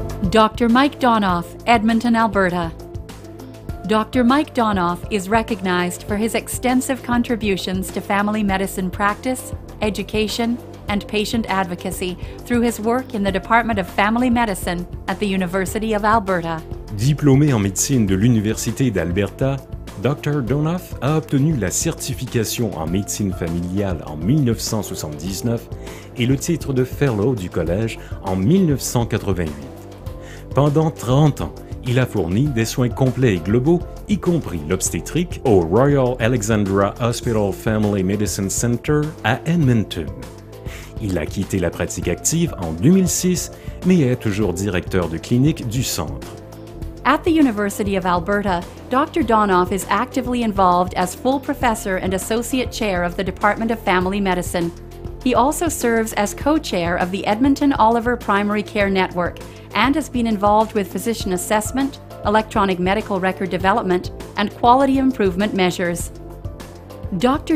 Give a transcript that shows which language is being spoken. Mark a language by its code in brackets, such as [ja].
[en] Dr. Mike Donoff, Edmonton, Alberta. Dr. Mike Donoff is recognized for his extensive contributions to family medicine practice, education, and patient advocacy through his work in the Department of Family Medicine at the University of Alberta. [fr] Diplômé en médecine de l'Université d'Alberta, Dr. Donoff a obtenu la certification en médecine familiale en 1979 et le titre de Fellow du Collège en 1988. Pendant 30 ans, il a fourni des soins complets et globaux, y compris l'obstétrique, au Royal Alexandra Hospital Family Medicine Center à Edmonton. Il a quitté la pratique active en 2006, mais est toujours directeur de clinique du centre. [en] At the University of Alberta, Dr. Donoff is actively involved as full professor and associate chair of the Department of Family Medicine. He also serves as co-chair of the Edmonton Oliver Primary Care Network and has been involved with physician assessment, electronic medical record development, and quality improvement measures. Dr.